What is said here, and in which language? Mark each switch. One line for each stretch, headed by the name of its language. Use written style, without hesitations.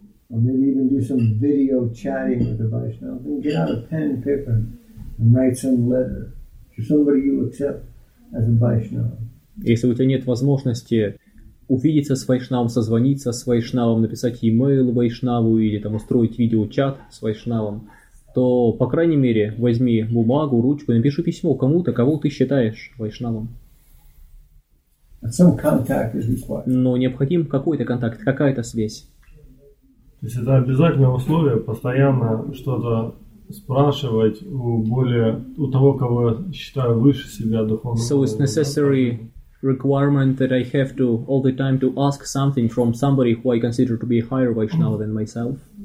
English: Or maybe even do some video chatting with a Vaishnava. Then get out a pen and paper and write some letter to somebody you accept as a Vaishnava.
Russian: Если у тебя нет возможности увидеться с Вайшнавом, созвониться с Вайшнавом, написать e-mail Вайшнаву или там устроить видеочат с Вайшнавом, то, по крайней мере, возьми бумагу, ручку и напиши письмо кому-то, кого ты считаешь Вайшнавом.
English: Some contact is required.
Russian: Но необходим какой-то контакт, какая-то связь. То есть это обязательное условие постоянно что-то спрашивать у более у того, кого я считаю выше себя духовного.
English: So it's necessary requirement that I have to all the time to ask something from somebody who I consider to be a higher Vaishnava than myself.